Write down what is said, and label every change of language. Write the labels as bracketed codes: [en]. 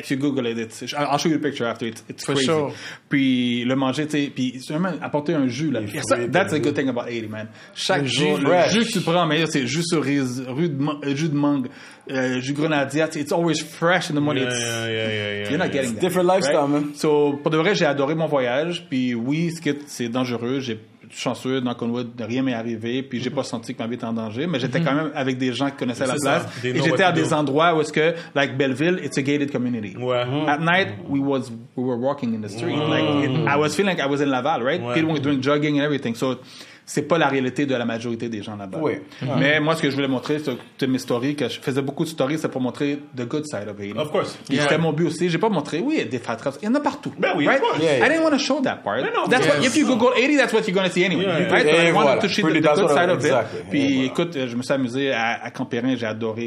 [en] If you Google it, I'll show you a picture after it. It's crazy. Sure. [fr] Puis le manger, tu sais, puis vraiment apporter un jus là. [en] That's a good thing about Haiti, man. [fr] Chaque jus que tu prends, mais c'est jus cerise, jus de mangue, jus grenadier. [en] It's always fresh in the morning. Yeah. You're not getting that. Different lifestyle, man. [fr] So pour de vrai, j'ai adoré mon voyage. Puis oui, c'est dangereux. J'ai chanceux dans Conwood, rien m'est arrivé, puis j'ai pas senti que ma vie était en danger, mais j'étais quand même avec des gens qui connaissaient la place, et j'étais à des endroits où est-ce que, [en] like Belleville, it's a gated community. At night, we were walking in the street. I was feeling like I was in Laval, right? People were doing jogging and everything, [fr] so c'est pas la réalité de la majorité des gens là-bas. Mais moi, ce que je voulais montrer, c'est mes stories, que je faisais beaucoup de stories, c'est pour montrer [en] the good side of it. Of course. [fr] Et c'était mon but aussi. J'ai pas montré, oui, des fat traps. Il y en a partout. Ben oui, [en] right? Of course. I didn't want to show that part. If you Google 80, that's what you're going to see anyway. Right? [fr] Et [en] I wanted [fr] voilà. [en] to show the good side of it. Exactly. [fr] Puis écoute, je me suis amusé à Camperin, j'ai adoré.